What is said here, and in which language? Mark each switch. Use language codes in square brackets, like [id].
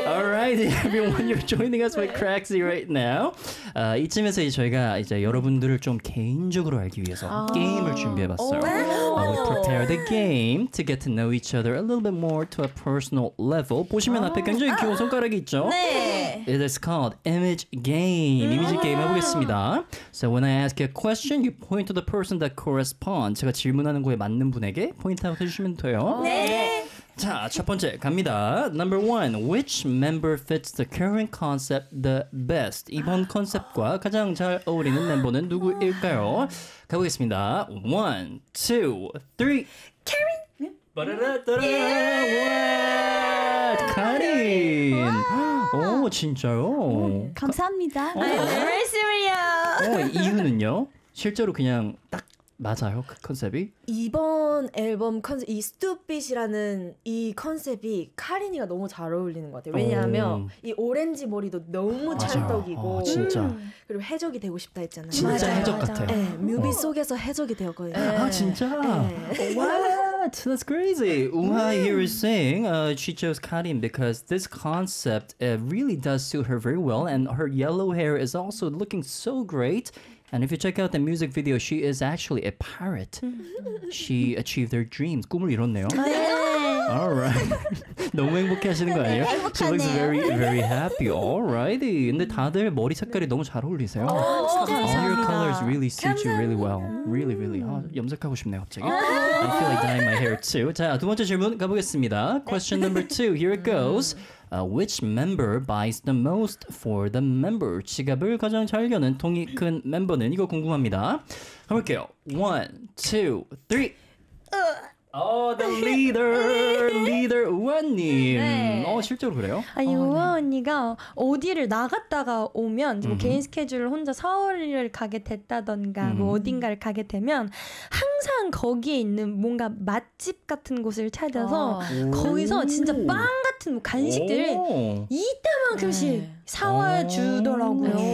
[en] Alright, everyone, you're joining us with Craxy right now. [ko] 이쯤에서 이제 저희가 이제 여러분들을 좀 개인적으로 알기 위해서 아~ 게임을 준비해봤어요. [en] We prepare the game to get to know each other a little bit more to a personal level. [ko] 보시면 앞에 굉장히 귀여운 손가락이 있죠? 네. [en] It is called Image Game. [ko] 이미지 게임 해보겠습니다. [en] So when I ask a question, you point to the person that corresponds. [ko] 제가 질문하는 거에 맞는 분에게 포인트 아웃 해주시면 돼요. 네. 자, 첫 번째 갑니다. [en] Number one, which member fits the current concept the best? [ko] 이번 컨셉과 가장 잘 어울리는 멤버는 누구일까요? 가보겠습니다. [en] One, two, three. Karen! 바라라따라! Yeah. What? Karen! [ko] Wow. 오, 진짜요? 감사합니다. 안녕하세요. 이유는요? 실제로 그냥 딱 맞아요? 그 컨셉이? 이번 앨범 컨셉, 이 스투빗이라는 이 컨셉이 카린이가 너무 잘 어울리는 것 같아요. 왜냐하면 오. 이 오렌지 머리도 너무 찰떡이고 아, 진짜. 그리고 해적이 되고 싶다 했잖아요. 진짜 맞아요. 해적 맞아요. 같아요. 네, 뮤비 속에서 해적이 되었거든요. 네. 아 진짜? 네. [en] What? That's crazy. Uha here is saying she chose Karin because this concept really does suit her very well and her yellow hair is also looking so great. And if you check out the music video, she is actually a pirate. She achieved her dreams. [ko] 꿈을 이뤘네요. 네. [en] All right. [ko] 너무 행복해하시는 거 아니에요? 네, 행복하네요. [en] She looks very, very happy. All righty. [ko] 근데 다들 머리 색깔이 네. 너무 잘 어울리세요. 감사합니다. [en] All your colors really suit [ko] 감사합니다. [en] You really well. Really, really. [ko] 염색하고 싶네요, 갑자기. [en] I feel like dyeing my hair too. [ko] 자, 두 번째 질문 가보겠습니다. [en] Question number two. Here it goes. Which member buys the most for the member? [ko] 지갑을 가장 잘 여는 통이 큰 멤버는 이거 궁금합니다. [en] 가볼게요. One, two, three. Oh, the leader. [ko] Leader 우아님. 네. 실제로 그래요? 아니, 우아 언니가 어디를 나갔다가 오면 뭐 개인 스케줄을 혼자 서울을 가게 됐다던가 뭐 어딘가를 가게 되면 항상 거기에 있는 뭔가 맛집 같은 곳을 찾아서 거기서 진짜 빵 같은 뭐 간식들을 이따만큼씩 사와주더라고요.